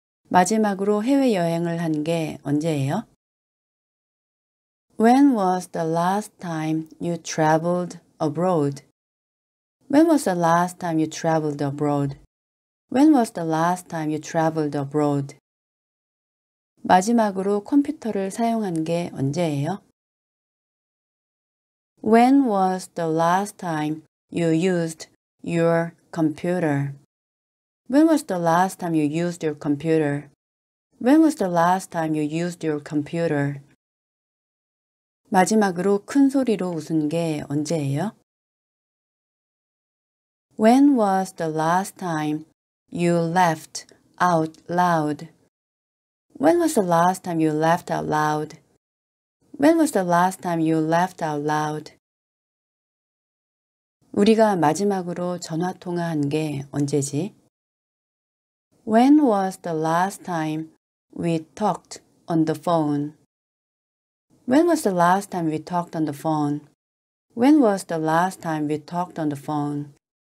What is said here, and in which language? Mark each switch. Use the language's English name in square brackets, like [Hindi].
[Korean] 마지막으로 해외여행을 한 게 언제예요? [English] When was the last time you traveled abroad? When was the last time you traveled abroad? When was the last time you traveled abroad? [Korean] 마지막으로 컴퓨터를 사용한 게 언제예요? [English] When was the last time you used your computer? When was the last time you used your computer? When was the last time you used your computer? [Korean] 마지막으로 큰 소리로 웃은 게 언제예요? [English] When was the last time you laughed out loud? When was the last time you laughed out loud? When was the last time you laughed out loud? [Korean] 우리가 마지막으로 전화 통화한 게 언제지? [English] When was the last time we talked on the phone? When was the last time we talked on the phone? When was the last time we talked on the phone?